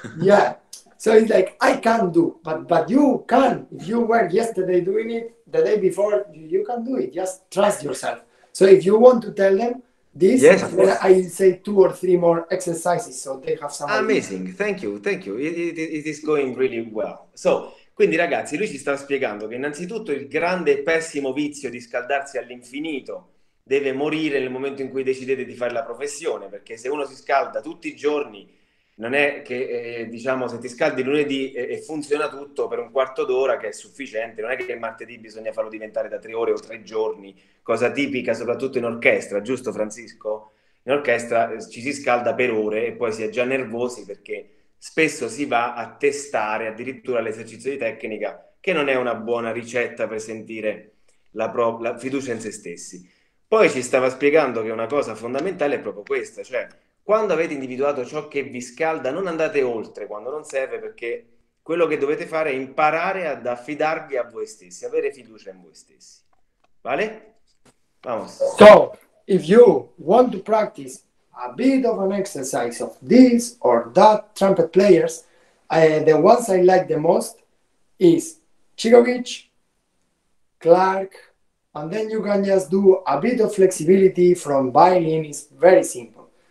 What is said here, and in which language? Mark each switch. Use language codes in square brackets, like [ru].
[en] Yeah. So it's like, I can't do, but you can. If you were yesterday doing it, the day before, you can do it. Just trust yourself. So if you want to tell them, this, yes, I say 2 or 3 more exercises, so they have some amazing idea. thank you, it is going really well. [it] So quindi ragazzi, lui ci sta spiegando che innanzitutto il grande e pessimo vizio di scaldarsi all'infinito deve morire nel momento in cui decidete di fare la professione, perché se uno si scalda tutti i giorni, non è che diciamo, se ti scaldi lunedì e funziona tutto per un quarto d'ora, che è sufficiente, non è che il martedì bisogna farlo diventare da 3 ore o 3 giorni, cosa tipica soprattutto in orchestra, giusto Francisco? In orchestra ci si scalda per ore e poi si è già nervosi, perché spesso si va a testare addirittura l'esercizio di tecnica, che non è una buona ricetta per sentire la fiducia in se stessi. Poi ci stava spiegando che una cosa fondamentale è proprio questa, cioè quando avete individuato ciò che vi scalda, non andate oltre quando non serve, perché quello che dovete fare è imparare ad affidarvi a voi stessi, avere fiducia in voi stessi. [es] Vale? Vamos. [en] So, if you want to practice a bit of an exercise of this or that trumpet players, the ones I like the most is Chigovich, Clark, and then you can just do a bit of flexibility from violin. It's very simple.